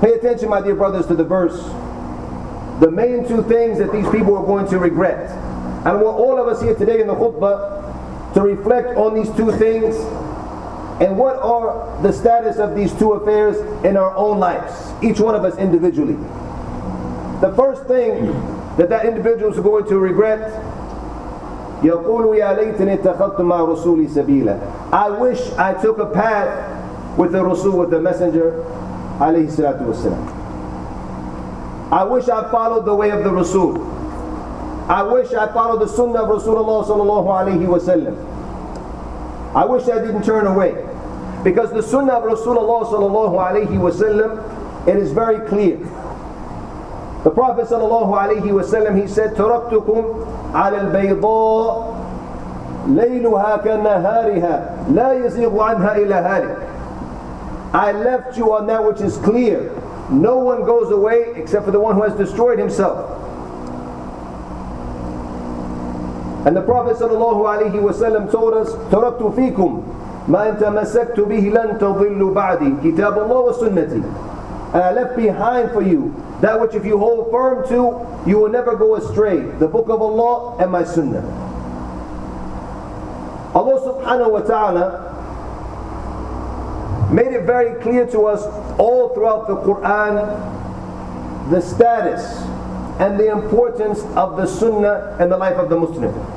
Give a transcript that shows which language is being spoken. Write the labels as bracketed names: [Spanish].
[English] Pay attention, my dear brothers, to the verse. The main two things that these people are going to regret, and what all of us here today in the khutbah to reflect on these two things, and what are the status of these two affairs in our own lives, each one of us individually. The first thing that individual is going to regret [Arabic] يقول يا ليتني اتخذت مع رسولي سبيلا. [English] I wish I took a path with the Rasul, with the Messenger عليه الصلاة والسلام. I wish I followed the way of the Rasul. I wish I followed the Sunnah of Rasulullah صلى الله عليه وسلم. I wish I didn't turn away. Because the Sunnah of Rasulullah صلى الله عليه وسلم, it is very clear. The Prophet [Arabic] صلى الله عليه وسلم, [English] he said, [Arabic] تركتكم على البيضاء ليلها كنهارها لا يزيغ عنها إلى هالك. [English] I left you on that which is clear. No one goes away except for the one who has destroyed himself. And the Prophet [Arabic] صلى الله عليه وسلم [English] told us, [Arabic] تركت فيكم ما أنت مسكت به لن تضل بعدي كتاب الله وسنتي. [English] And I left behind for you that which if you hold firm to, you will never go astray. The Book of Allah and my Sunnah. Allah subhanahu wa ta'ala made it very clear to us all throughout the Quran the status and the importance of the Sunnah and the life of the Muslim.